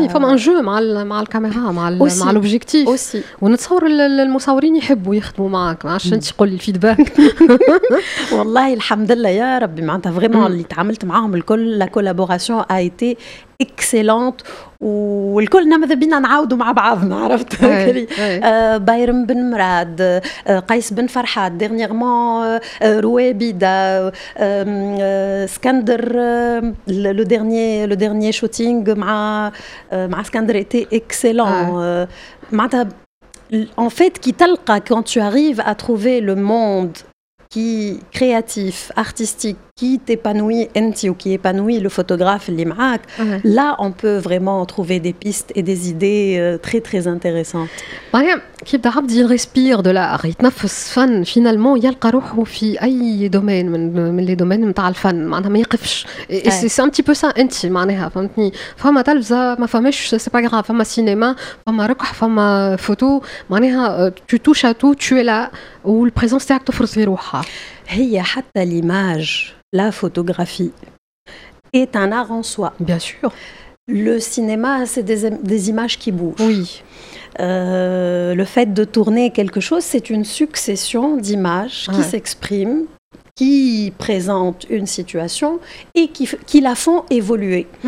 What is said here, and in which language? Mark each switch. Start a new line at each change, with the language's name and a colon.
French: Il faut un jeu مع la caméra, مع l'objectif. Aussi. On est sûr les
Arabic: المصورين يحبوا يخدموا معاك.
French: Je sais pas le feedback.
Arabic: والله الحمد لله يا ربي معناتها
French: vraiment
Arabic: اللي تعاملت معاهم الكل
French: la collaboration a été excellente
Arabic: والكل ماذا بينا نعاودوا مع بعضنا عرفت بايرن بن مراد قيس بن فرحات
French: dernièrement
Arabic: Rouébida
French: Skander le dernier shooting مع Skander était excellent
Arabic: معناتها
French: en fait qui
Arabic: تلقى
French: quand tu arrives à trouver le monde qui créatif artistique qui t'épanouit enti ou qui épanouit le photographe
Arabic: اللي معاك
French: là on peut vraiment trouver des pistes et des idées très très intéressantes Maria qui d'hab dit respire de l'art
Arabic: يتنفس فن
French: finalement
Arabic: يلقى روحه في اي دومين من لي دومين نتاع الفن معناتها ما يقفش
French: et c'est un petit peu ça enti
Arabic: معناها فهمتني فما تلفزه ما فماش
French: c'est pas grave
Arabic: فما سينما فما ركح فما فوتو معناها
French: tu touches à tout tu es là ou le présence
Arabic: تاعك تفرز في روحها هي حتى
French: l'image La photographie est un art en soi. Bien sûr. Le cinéma, c'est des images qui bougent. Oui. Le fait de tourner quelque chose, c'est une succession d'images qui s'expriment, qui présentent une situation et qui la font évoluer.